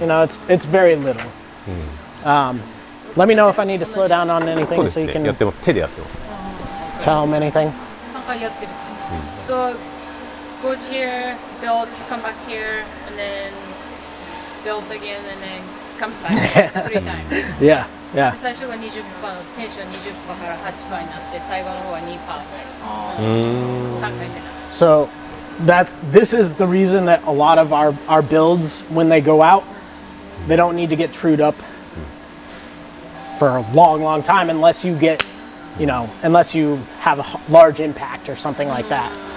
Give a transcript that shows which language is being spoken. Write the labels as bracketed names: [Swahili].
[English] You know, it's very little. Let me know if I need to slow down on anything so you can tell him anything. So goes here, build, come back here, and then build again, and then comes back three times. Yeah, yeah. [Japanese] 最初が20%のテンション20%から8%になって、最後の方は2%で、3回目。 [English] So this is the reason that a lot of our builds, when they go out, they don't need to get trued up for a long, long time unless you get, you know, unless you have a large impact or something like that.